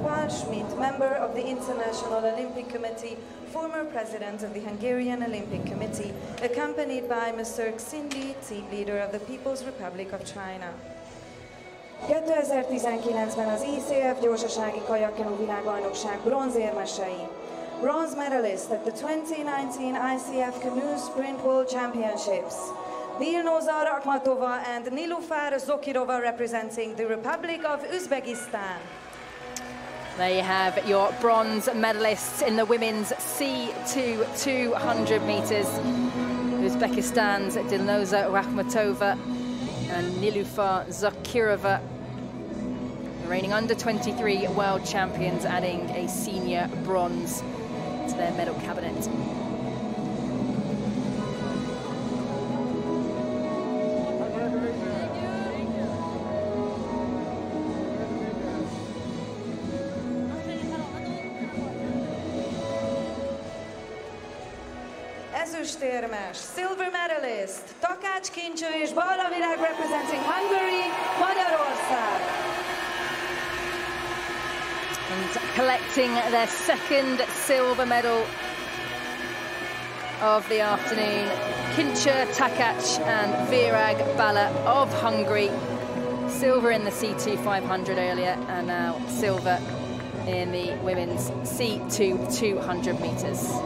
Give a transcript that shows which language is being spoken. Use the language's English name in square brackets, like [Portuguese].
[English] Paul Schmidt, member of the International Olympic Committee, former president of the Hungarian Olympic Committee, accompanied by Mr. Xindi, team leader of the People's Republic of China. [Hungarian] 2019-ben az ICF gyorsasági kajakkenu világbajnokság bronzérmesei. [English] Bronze medalist at the 2019 ICF Canoe Sprint World Championships. Dilnoza Rakhmatova and Nilufar Zokirova representing the Republic of Uzbekistan. There you have your bronze medalists in the women's C2 200 metres. Uzbekistan's Dilnoza Rakhmatova and Nilufar Zokirova, reigning under 23 world champions, adding a senior bronze to their medal cabinet. Thank you. ezüstérmes, silver medalist, Takács Kincső és Balla Virág representing Hungary, Magyarország. And collecting their second silver medal of the afternoon, Kincső, Takács and Virág Balla of Hungary. Silver in the C2 500 earlier and now silver in the women's C2 200 meters.